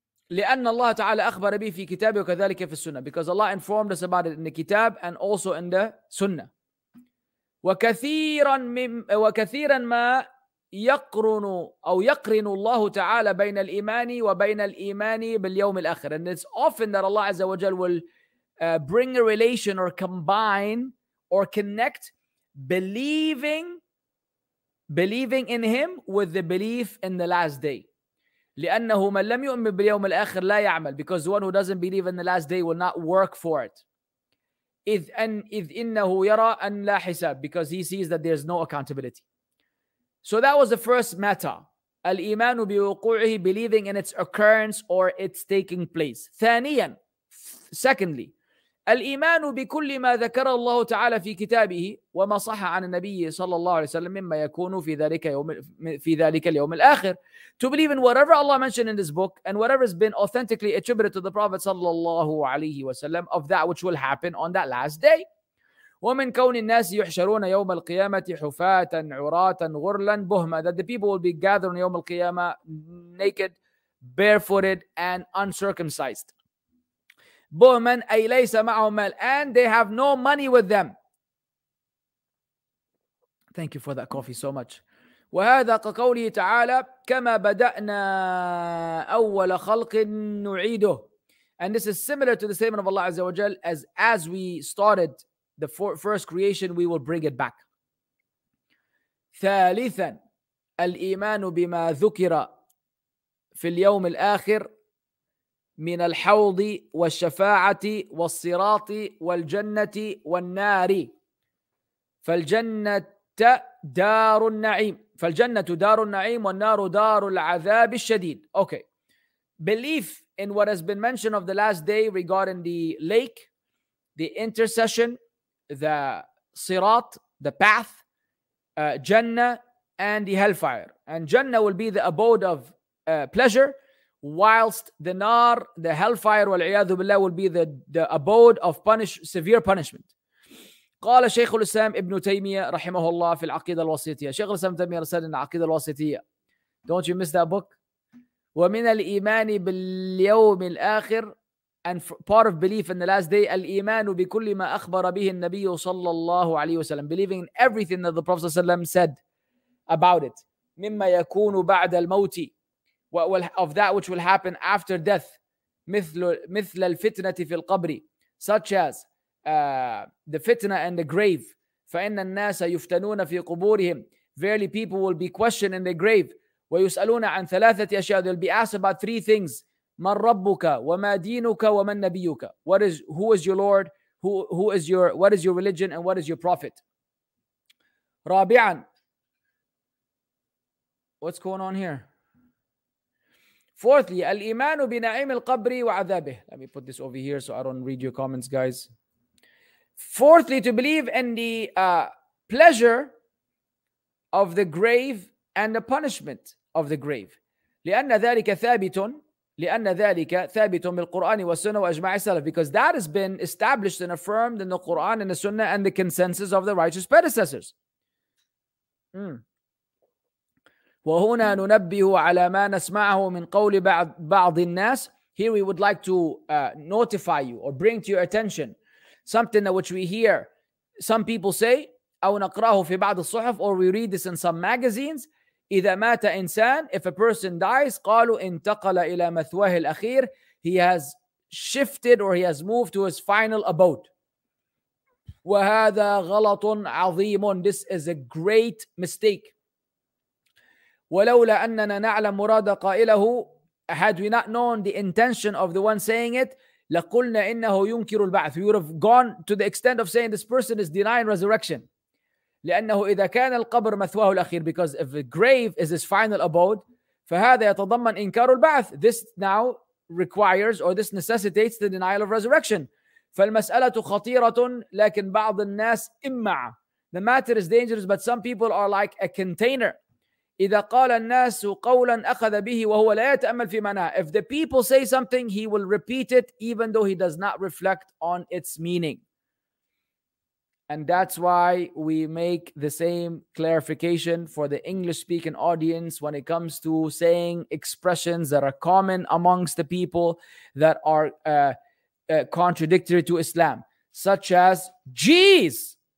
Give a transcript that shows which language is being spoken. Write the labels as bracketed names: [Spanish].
[Arabic] لأن الله تعالى أخبر به في كتابه وكذلك في السنة. [English] Because Allah informed us about it in the kitab and also in the sunnah. [Arabic] وكثيرا ما يقرن أو يقرن الله تعالى بين الإيمان وبين الإيمان باليوم الآخر. [English] And it's often that Allah Azza wa Jal will bring a relation or combine or connect believing in Him with the belief in the last day. [Arabic] لأنه من لم يؤمن باليوم الآخر لا يعمل. [English] Because the one who doesn't believe in the last day will not work for it. [Arabic] إذ إنه يرى أن لا حساب. [English] Because he sees that there's no accountability. So that was the first matter. [Arabic] الإيمان بوقوعه, [English] believing in its occurrence or its taking place. [Arabic] ثانيا, [English] secondly, [Arabic] الإيمان بكل ما ذكر الله تعالى في كتابه وما صح عن النبي صلى الله عليه وسلم مما يكون في ذلك اليوم الآخر. [English] To believe in whatever Allah mentioned in this book and whatever has been authentically attributed to the Prophet صلى الله عليه وسلم of that which will happen on that last day. [Arabic] ومن كون الناس يحشرون يوم القيامة حفاة عراة غرلا بهما, [English] that the people will be gathered on يوم القيامة naked, barefooted and uncircumcised. [Arabic] بهما أي ليس معهم مال, [English] and they have no money with them. Thank you for that coffee so much. [Arabic] وهذا قوله تعالى كما بدأنا أول خلق نعيده. [English] And this is similar to the statement of Allah Azza wa Jal, as we started the first creation, we will bring it back. [Arabic] ثالثا, الإيمان بما ذكر في اليوم الآخر من الحوض والشفاعة والصراط والجنة والنار. فالجنة دار النعيم, فالجنة دار النعيم والنار دار العذاب الشديد. [English] Okay, belief in what has been mentioned of the last day regarding the lake, the intercession, the sirat, the path, Jannah, and the hellfire. And Jannah will be the abode of pleasure, whilst the nar, the hellfire, wal-iyadhu billah, will be the abode of severe punishment. [Arabic] قال شيخ الإسلام ابن تيمية رحمه الله في العقيدة الوسطية. شيخ الإسلام ابن تيمية رسالة العقيدة الوسطية. [English] Don't you miss that book? [Arabic] ومن الإيمان باليوم الآخر, [English] and part of belief in the last day, [Arabic] الإيمان بكل ما أخبر به النبي صلى الله عليه وسلم, [English] believing in everything that the Prophet صلى الله عليه وسلم said about it. [Arabic] مما يكون بعد الموت, [English] of that which will happen after death, [Arabic] مثل الفتنة في القبر, [English] such as the fitna and the grave. [Arabic] فإن الناس يفتنون في قبورهم, [English] verily people will be questioned in the grave. [Arabic] ويسألون عن ثلاثة أشياء, [English] they'll be asked about three things. [Arabic] من ربك وما دينك ومن نبيك. [English] Who is your Lord? What is your religion and what is your prophet? رابعا, what's going on here? Fourthly, [Arabic] الإيمان بنعيم القبر وعذابه. [English] Let me put this over here so I don't read your comments, guys. Fourthly, to believe in the pleasure of the grave and the punishment of the grave. [Arabic] لأن ذلك ثابت بالقرآن والسنة وأجمع السلف. [English] Because that has been established and affirmed in the Quran and the Sunnah and the consensus of the righteous predecessors. [Arabic] وهنا ننبه على ما نسمعه من قول بعض الناس. [English] Here we would like to notify you or bring to your attention something that which we hear some people say, [Arabic] أو نقرأه في بعض الصحف, [English] or we read this in some magazines. [Arabic] إذا مات إنسان, [English] if a person dies, [Arabic] قالوا انتقل إلى مثواه الأخير, [English] he has shifted or he has moved to his final abode. [Arabic] وهذا غلط عظيم. [English] This is a great mistake. [Arabic] ولولا أننا نعلم مراد قائله, [English] had we not known the intention of the one saying it, [Arabic] لقلنا إنه ينكر البعث. [English] We would have gone to the extent of saying this person is denying resurrection. [Arabic] لأنه إذا كان القبر مثواه الأخير, [English] because if the grave is his final abode, [Arabic] فهذا يتضمن إنكار البعث. [English] This now requires or this necessitates the denial of resurrection. [Arabic] فالمسألة خطيرة لكن بعض الناس إمع. [English] The matter is dangerous, but some people are like a container. [Arabic] إذا قال الناس قولا أخذ به وهو لا يتأمل في معناه. [English] If the people say something, he will repeat it even though he does not reflect on its meaning. And that's why we make the same clarification for the English-speaking audience when it comes to saying expressions that are common amongst the people that are contradictory to Islam, such as, geez,